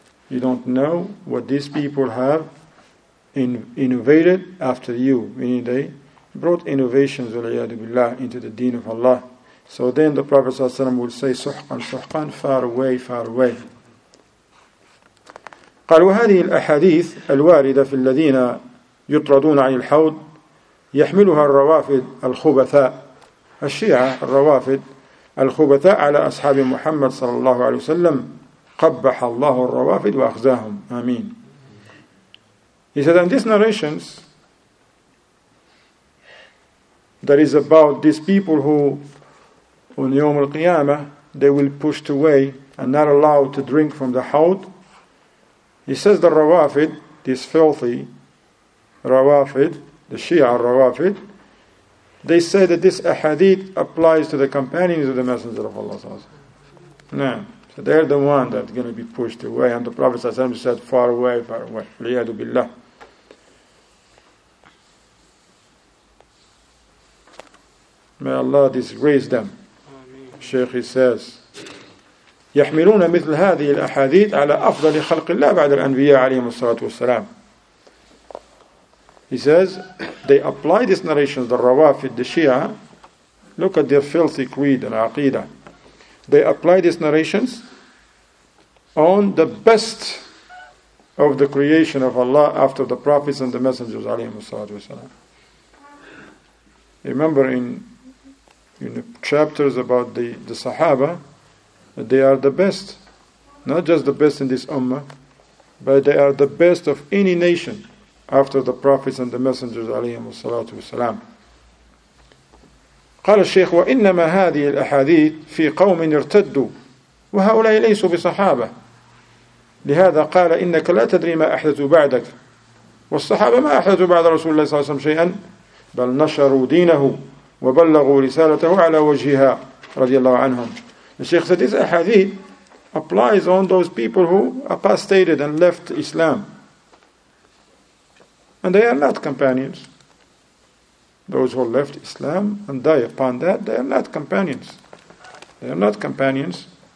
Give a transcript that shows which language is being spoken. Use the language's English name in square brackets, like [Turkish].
[English] You don't know what these people have innovated after you. Meaning they brought innovations, [Arabic] walayyadu billah, [English] into the deen of Allah. So then the Prophet ﷺ will say, [Arabic] suhqan, suhqan, [English] far away, far away. [Arabic] قال وهذه الأحاديث الواردة في الذين يطردون عن الحوض يحملها الروافد الخبثاء الشيعة الروافد الخبثاء على أصحاب محمد صلى الله عليه وسلم قبح الله الروافد وأخزاهم. آمين. [English] He said, and these narrations that is about these people who on Yawm al-Qiyamah they will pushed away and not allowed to drink from the Haud. He says the Rawafid, these filthy Rawafid, the Shia al-Rawafid, they say that this ahadith applies to the companions of the Messenger of Allah. No. So they're the one that's going to be pushed away. And the Prophet said, far away, far away. Liyadu billah. May Allah disgrace them. Sheikh, he says, [Arabic] يحملون مثل هذه الأحاديث على أفضل خلق الله بعد الأنبياء عليهم الصلاة والسلام. [English] He says, they apply these narrations, the Rawafid, the Shia, look at their filthy creed and aqidah. They apply these narrations on the best of the creation of Allah after the prophets and the messengers, [Arabic] عليهم الصلاة والسلام. [English] Remember in the chapters about the Sahaba, they are the best. Not just the best in this ummah, but they are the best of any nation after the prophets and the messengers, [Arabic] alayhim as-salatu wa-salam. قال الشيخ وإنما هذه الأحاديث في قوم ارتدوا وهؤلاء ليسوا بصحابة لهذا قال إنك لا تدري ما أحدثوا بعدك والصحابة ما أحدثوا بعد رسول الله صلى الله عليه وسلم شيئا بل نشروا دينه وبلغوا رسالته على وجهها رضي الله عنهم. [English] The Shaykh said, this ahadith applies on those people who apostated and left Islam. And they are not companions. Those who left Islam and die upon that, they are not companions. They are not companions.